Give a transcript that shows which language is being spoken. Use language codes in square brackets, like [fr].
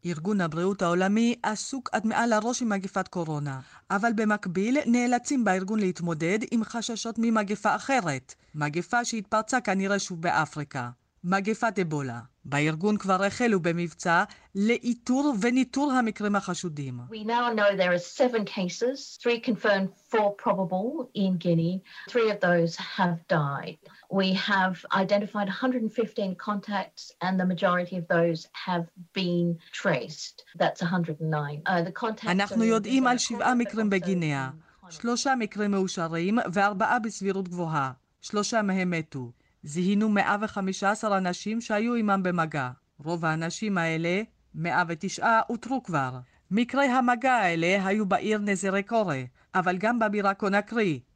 [he] ארגון הבריאות העולמי עסוק עד מעל הראש עם מגפת קורונה, אבל במקביל נאלצים בארגון להתמודד עם חששות ממגפה אחרת, מגפה שהתפרצה כנראה שוב באפריקה, מגפת אבולה. בארגון כבר החלו במבצע לאיתור וניטור המקרים החשודים. [en] We now know there are 7 cases, 3 confirmed, 4 probable in Guinea. 3 of those have died. We have identified 115 contacts and the majority of those have been traced. That's 109. The contacts [he] אנחנו יודעים על 7 מקרים בגינאה. 3 מקרים מאושרים ו4 בסבירות גבוהה. 3 מהם מתו. זיהינו 115 אנשים שהיו עמם במגע. רוב האנשים האלה, 109, אותרו כבר. מקרי המגע האלה היו בעיר נזרי קורא, אבל גם בבירה קונקרי.